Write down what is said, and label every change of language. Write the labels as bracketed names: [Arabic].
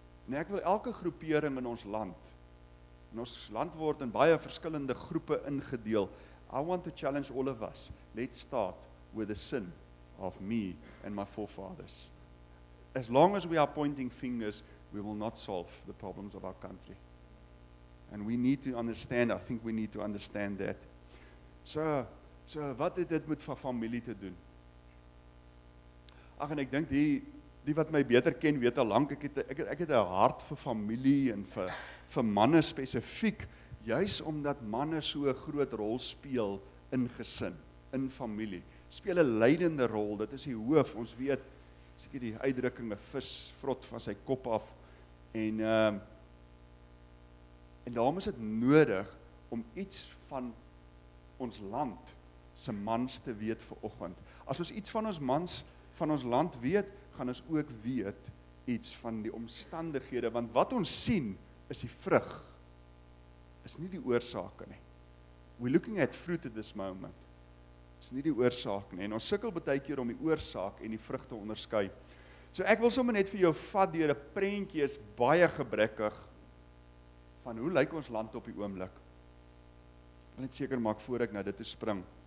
[Afrikaans] En ek wil elke groepering in ons land, en ons land word in baie verskillende groepe ingedeel, [English] I want to challenge all of us, let's start with the sin of me and my forefathers. As long as we are pointing fingers, we will not solve the problems of our country. And we need to understand, I think we need to understand that. [Afrikaans] So wat het dit met familie te doen? Ach, en ek dink die wat my beter ken, weet al lank, ek het 'n hart vir familie en vir manne spesifiek, juis omdat manne so 'n groot rol speel in gesin, in familie. Speel 'n leidende rol, dit is die hoof, ons weet, seker die uitdrukking, 'n vis vrot van sy kop af, en daarom is dit nodig om iets van ons land se mans te weet vanoggend. As ons iets van ons mans van ons land weet, gaan ons ook weet iets van die omstandighede, want wat ons sien is die vrug, is nie die oorsake nie. [English] We're looking at fruit at this moment. [Afrikaans] Is nie die oorsake nie. En ons sukkel baie keer om die oorsaak en die vrug te onderskei. So ek wil sommer net vir jou vat deur 'n prentjie is baie gebrekkig van hoe lyk ons land op die oomblik. Ek wil net seker maak voor ek nou dit te spring.